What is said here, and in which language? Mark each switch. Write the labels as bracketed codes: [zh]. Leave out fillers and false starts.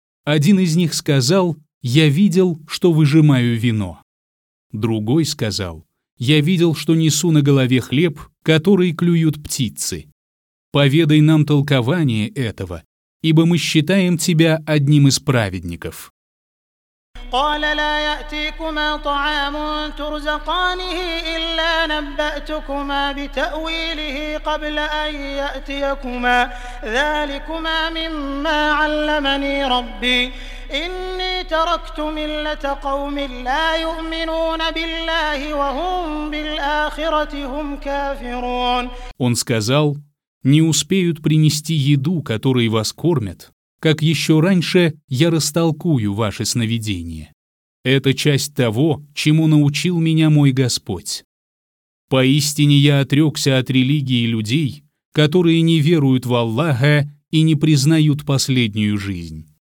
[ru] Один из них сказал: «Я видел, что выжимаю вино». Другой сказал: «Я видел, что несу на голове хлеб, который клюют птицы. Поведай нам толкование этого, ибо мы считаем тебя одним из праведников». [ar] قال لا يأتيكما طعام ترزقانه إلا نبأتكما بتأويله قبل أن يأتيكما ذلكما مما علمني ربي إني تركت ملة قوم لا يؤمنون بالله وهم بالآخرة هم كافرون. [ru] Он сказал: «Не успеют принести еду, которой вас кормят, как еще раньше я растолкую ваши сновидения. Это часть того, чему научил меня мой Господь. Поистине я отрекся от религии людей, которые не веруют в Аллаха и не признают последнюю жизнь.